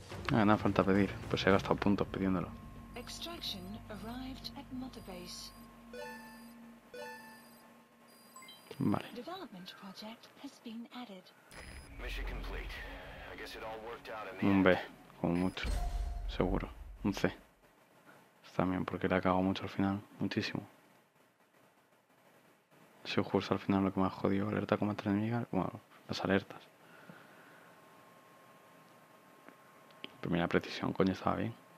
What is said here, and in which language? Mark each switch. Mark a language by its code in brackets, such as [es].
[es] Ah, nada falta pedir, pues he gastado puntos pidiéndolo. [en] Extraction arrived at Mother Base. Vale. Development project has been added. Mission complete. I guess it all worked out in the end. [es] Un B, como mucho. Seguro. Un C. Está bien, porque le ha cagado mucho al final. Muchísimo. Si justo al final lo que me ha jodido. Alerta como tres enemigas. Bueno, las alertas. Primera precisión, coño, estaba bien.